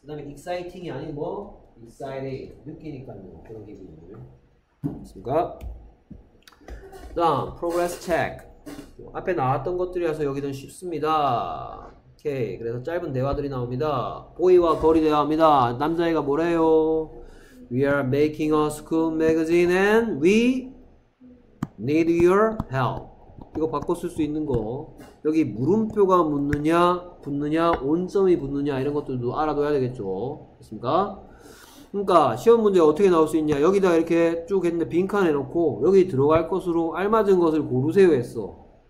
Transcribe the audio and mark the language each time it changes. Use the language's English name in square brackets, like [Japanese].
[Korean] 그 다음에 exciting이 아니고, excited. 느끼니까요. 그런 기분을. 됐습니까? 다음, [English] progress check. [Korean] 앞에 나왔던 것들이라서 여기는 쉽습니다. 오케이. 그래서 짧은 대화들이 나옵니다. 보이와 걸이 대화합니다. 남자애가 뭐래요? [English] We are making a school magazine and we need your help. [Korean] 이거 바꿔 쓸수 있는 거. 여기 물음표가 묻느냐, 붙느냐, 온점이 붙느냐, 이런 것들도 알아둬야 되겠죠. 됐습니까? 그러니까, 시험 문제 어떻게 나올 수 있냐. 여기다 이렇게 쭉 했는데 빈칸 해놓고, 여기 들어갈 것으로 알맞은 것을 고르세요 했어.